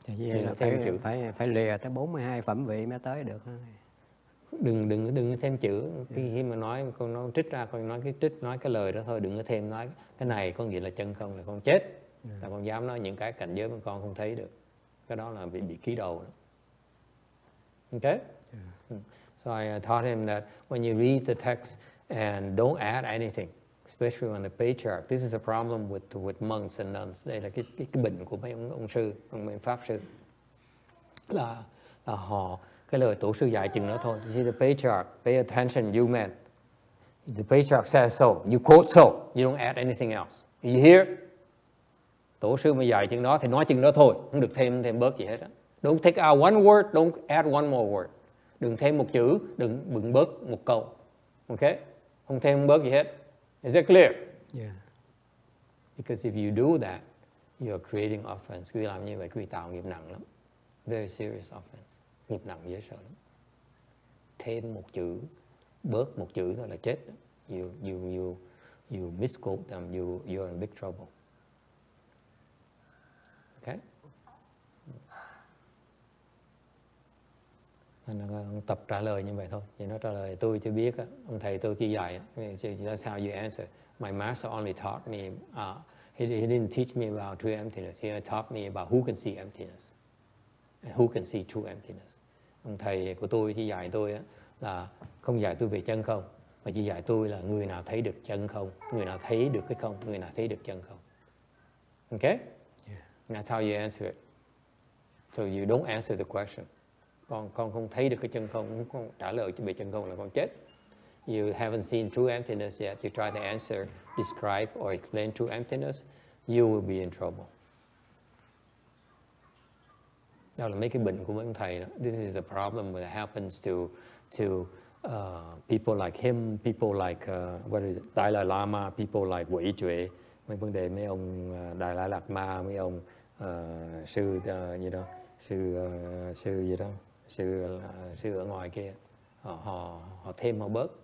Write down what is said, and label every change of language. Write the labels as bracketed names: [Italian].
[Vietnamese] Thì là thêm chữ phải lìa tới 42 phẩm vị mới tới được. Đừng có thêm chữ. Khi mà nói con nó trích ra con nói cái lời đó thôi, đừng có thêm nói cái này có nghĩa là chân không là con chết. Là con dám nói những cái cảnh giới mà con không thấy được. Cái đó là bị ký đầu đó. Ok? Yeah. [English] So I taught him that when you read the text and don't add anything, especially on the patriarch, this is a problem with monks and nuns. [Vietnamese] Đây là cái bệnh của mấy ông sư, ông pháp sư. Là họ, cái lời tổ sư dạy chừng đó thôi. [English] You see the patriarch, pay attention, you men. The patriarch says so, you quote so, you don't add anything else. You hear? [Vietnamese] Tổ sư mà dạy chừng đó thì nói chừng đó thôi, không được thêm bớt gì hết á. [English] Don't take out one word, don't add one more word. [Vietnamese] Đừng thêm một chữ, đừng bớt một câu. Ok? Không thêm bớt gì hết. [English] Is that clear? Yeah. Because if you do that, you're creating offense. [Vietnamese] Quý vị làm như vậy, quý vị tạo nghiệp nặng lắm. [English] Very serious offense. [Vietnamese] Nghiệp nặng dễ sợ lắm. Thêm một chữ, bớt một chữ thôi là chết. [English] You misquote them, you're in big trouble. [Vietnamese] Tập trả lời như vậy thôi. Vậy nó trả lời tôi chưa biết á, ông thầy tôi chỉ dạy á, sao [English] you answer. My master only taught me he didn't teach me about true emptiness. He taught me about who can see emptiness and who can see true emptiness. [Vietnamese] Ông thầy của tôi chỉ dạy tôi á là không dạy tôi về chân không, mà chỉ dạy tôi là người nào thấy được chân không, người nào thấy được cái không, người nào thấy được chân không. [English] Ok? Yeah. That's how you answer it. So you don't answer the question. [Vietnamese] Con không thấy được cái chân không, con trả lời cho bị chân không là con chết. [English] You haven't seen true emptiness yet. You try to answer, describe or explain true emptiness, you will be in trouble. [Vietnamese] Đó là mấy cái bệnh của mấy ông thầy đó. [English] This is the problem that happens to people like him, people like Đại Lai Lama, people like Quỷ Chuệ. [Vietnamese] Mấy vấn đề mấy ông Đại Lai Lạt Ma, mấy ông sư như đó, sư gì đó. Sư ở ngoài kia họ thêm họ bớt.